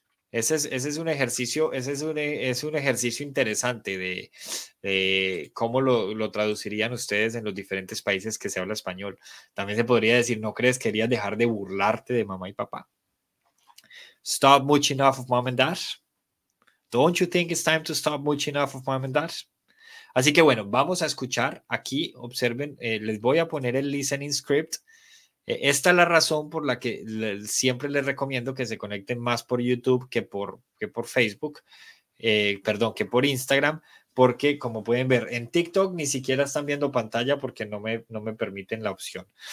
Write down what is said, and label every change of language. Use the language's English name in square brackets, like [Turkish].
[Spanish] Ese es un ejercicio interesante de cómo lo traducirían ustedes en los diferentes países que se habla español. También se podría decir, ¿no crees que querías dejar de burlarte de mamá y papá? [English] Stop mooching off of mom and dad. Don't you think it's time to stop mooching off of mom and dad? [Spanish] Así que bueno, vamos a escuchar aquí, observen, les voy a poner el listening script. Esta es la razón por la que siempre les recomiendo que se conecten más por YouTube que por Facebook, perdón, que por Instagram, porque como pueden ver, en TikTok ni siquiera están viendo pantalla porque no me permiten la opción.